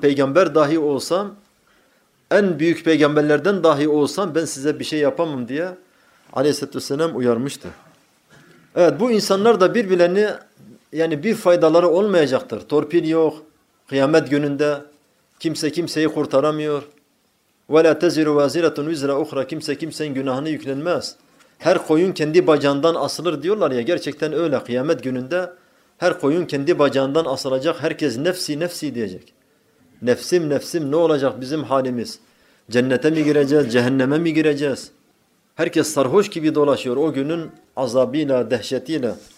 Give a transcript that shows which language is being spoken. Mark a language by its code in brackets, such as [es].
[tr] Peygamber dahi olsam, en büyük peygamberlerden dahi olsam ben size bir şey yapamam diye aleyhissalatü vesselam uyarmıştı. Evet, bu insanlar da birbirlerini, yani bir faydaları olmayacaktır. Torpil yok. Kıyamet gününde kimse kimseyi kurtaramıyor. [ar] وَلَا تَزِرُ وَازِرَةٌ وِزْرَ اُخْرَى [tr] Kimse kimsenin günahını yüklenmez. Her koyun kendi bacağından asılır diyorlar ya, gerçekten öyle. Kıyamet gününde her koyun kendi bacağından asılacak. Herkes nefsi nefsi diyecek. Nefsim nefsim, ne olacak bizim halimiz? Cennete mi gireceğiz, cehenneme mi gireceğiz? Herkes sarhoş gibi dolaşıyor o günün azabıyla, dehşetiyle.